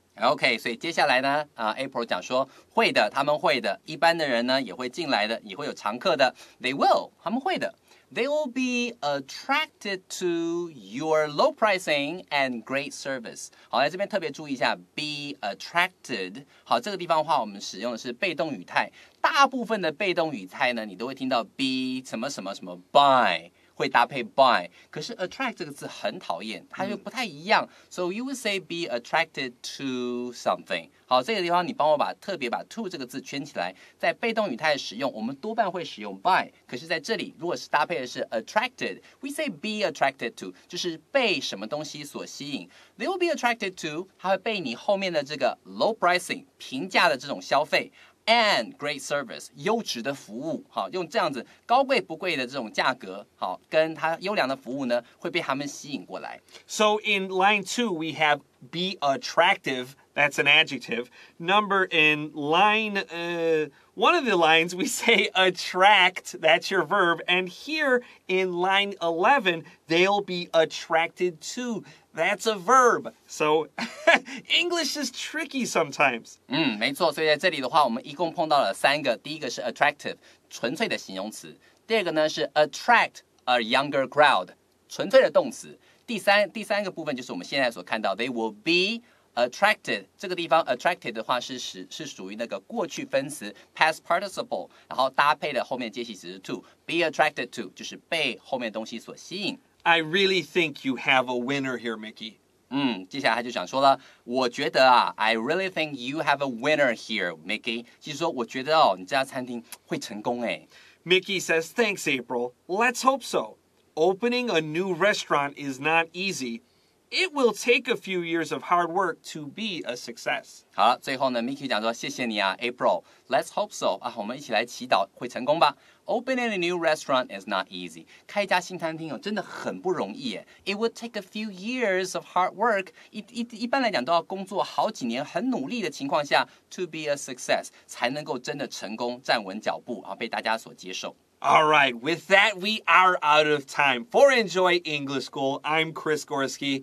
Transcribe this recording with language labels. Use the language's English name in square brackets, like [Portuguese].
[Chinese] Okay, 所以接下来呢，April 讲说会的，他们会的，一般的人呢也会进来的，也会有常客的。 [English] They will, [Chinese] 他们会的。 [English] They will be attracted to your low pricing and great service. [Chinese] 好，在这边特别注意一下 ， [English] be attracted. [Chinese] 好，这个地方的话，我们使用的是被动语态。大部分的被动语态呢，你都会听到 be 什么什么什么 by。会搭配 by， 可是 attract 这个字很讨厌，它又不太一样。 [English] So you would say be attracted to something。 [Chinese] 好，这个地方你帮我把特别把 to 这个字圈起来，在被动语态使用，我们多半会使用 by。可是在这里，如果是搭配的是 attracted， [English] we say be attracted to， [Chinese] 就是被什么东西所吸引。 [English] They will be attracted to， [Chinese] 它会被你后面的这个 low pricing 平价的这种消费。 [English] And great service, [Chinese] 优质的服务，好，用这样子高贵不贵的这种价格，好，跟他优良的服务呢，会被他们吸引过来。 [English] So in line two, we have be attractive, that's an adjective. Number in line, one of the lines, we say attract, that's your verb. And here in line 11, they'll be attracted to, that's a verb. So, English is tricky sometimes. [Chinese] 没错，所以在这里的话，我们一共碰到了三个。第一个是 attractive， 纯粹的形容词。第二个呢是 [English] attract a younger crowd， [Chinese] 纯粹的动词。第三个部分就是我们现在所看到 they will be attracted。这个地方 attracted 的话是属于那个过去分词 past participle， 然后搭配的后面接系词是 to。 [English] Be attracted to [Chinese] 就是被后面的东西所吸引。 [English] I really think you have a winner here, Mickey. [Chinese] 接下来他就想说了，我觉得啊 [English] ，I really think you have a winner here, Mickey。 [Chinese] 其实说，我觉得哦，你这家餐厅会成功哎。 [English] Mickey says, "Thanks, April. Let's hope so. Opening a new restaurant is not easy. It will take a few years of hard work to be a success." [Chinese] 好了，最后呢 ，Mickey 讲说，谢谢你啊 ，April. [English] Let's hope so. [Chinese] 啊，我们一起来祈祷会成功吧。 [English] Opening a new restaurant is not easy. [Chinese] 开一家新餐厅哦，真的很不容易耶。 [English] It would take a few years of hard work. [Chinese] 一般来讲都要工作好几年，很努力的情况下 ， [English] to be a success [Chinese] 才能够真的成功站稳脚步，然后被大家所接受。 [English] All right, with that, we are out of time. For Enjoy English School, I'm Chris Gorski.